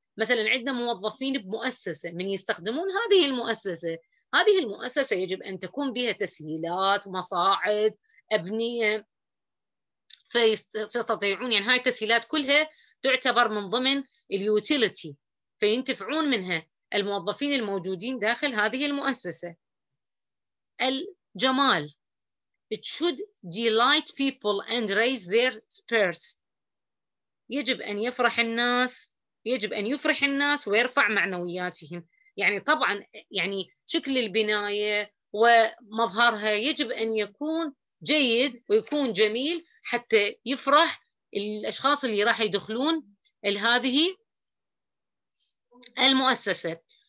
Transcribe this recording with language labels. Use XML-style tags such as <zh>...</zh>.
<ar>مثلا عندنا موظفين بمؤسسة، من يستخدمون هذه المؤسسة، هذه المؤسسة يجب أن تكون بها تسهيلات، مصاعد، أبنية، فيستطيعون يعني هاي التسهيلات كلها تعتبر من ضمن اليوتيليتي فينتفعون منها الموظفين الموجودين داخل هذه المؤسسة.</ar> <en>الجمال It should delight people and raise their spirits.</en> <ar>يجب أن يفرح الناس، يجب أن يفرح الناس ويرفع معنوياتهم. يعني طبعاً يعني شكل البناية ومظهرها يجب أن يكون جيد ويكون جميل حتى يفرح الأشخاص اللي راح يدخلون لهذه المؤسسة.</ar>